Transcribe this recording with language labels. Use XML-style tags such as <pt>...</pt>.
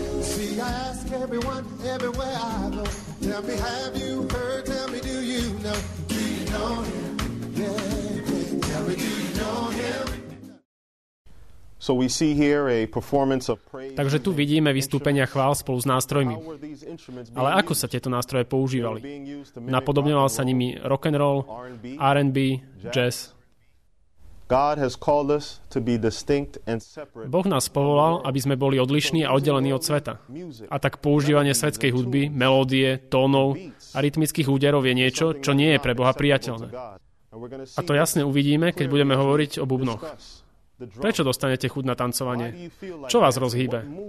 <en>She asks everyone, everywhere I go, tell me, have you heard, tell me, do you know? Do you know him? Yeah, yeah. Tell me, do you know him? So we see here a performance of praise.</en> <sk>Takže tu vidíme vystúpenia chvál spolu s nástrojmi. Ale ako sa tieto nástroje používali? Napodobňoval sa nimi rock and roll, R&B, jazz.</sk> <en>God has called us to be distinct and separate.</en> <sk>Boh nás povolal, aby sme boli odlišní a oddelení od sveta. A tak používanie svetskej hudby, melódie, tónov a rytmických úderov je niečo, čo nie je pre Boha priateľné. A to jasne uvidíme, keď budeme hovoriť o bubnoch. Prečo dostanete chuť na tancovanie? Čo vás rozhýbe?</sk>